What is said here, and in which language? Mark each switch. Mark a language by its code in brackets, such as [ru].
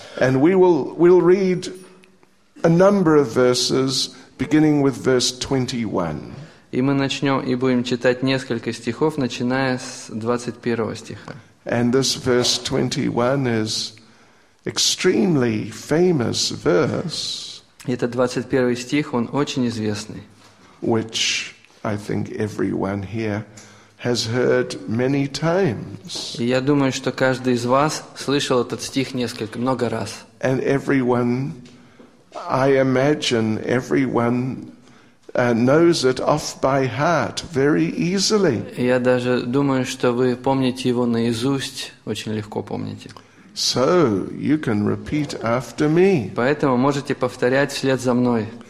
[en] And we'll read a number of verses, beginning with verse 21. [ru] И мы начнем и будем читать несколько стихов, начиная с 21 стиха. [en] And this verse 21 is extremely famous verse. [ru] Это 21 стих, он очень известный. [en] Which I think everyone here has heard many times. [ru] Я думаю, что каждый из вас слышал этот стих несколько, много раз. [en] And everyone, I imagine, everyone knows it off by heart very easily. [ru] Я даже думаю, что вы помните его наизусть, очень легко помните. [en] So you can repeat after me. [ru] Поэтому можете повторять вслед за мной.